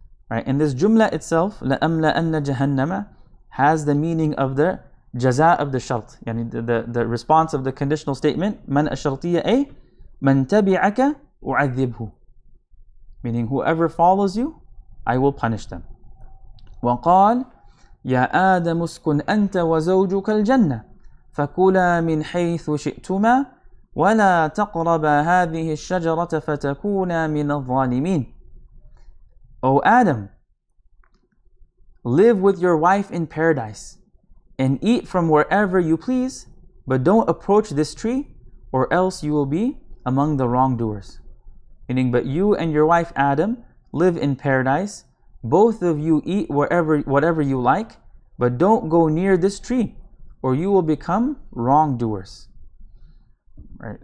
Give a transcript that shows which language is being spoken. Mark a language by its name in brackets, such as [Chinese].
[English] Right, in this jumla itself, لَأَمْلَأَنَّ جَهَنَّمَ has the meaning of the jaza of the shart. Yani the response of the conditional statement, [Arabic] مَنْ أَشْرَطِيَ أَيْ مَنْ تَبِعَكَ أُعَذِّبْهُ. [English] Meaning, whoever follows you, I will punish them. [Arabic] وَقَالْ يا آدم اسكن أنت وزوجك الجنة فكلا من حيث شئتما ولا تقربا هذه الشجرة فتكونا من الظالمين. [English] O Adam, live with your wife in paradise and eat from wherever you please, but don't approach this tree or else you will be among the wrongdoers. Meaning, but you and your wife Adam live in paradise, both of you eat whatever you like, but don't go near this tree, or you will become wrongdoers. Right.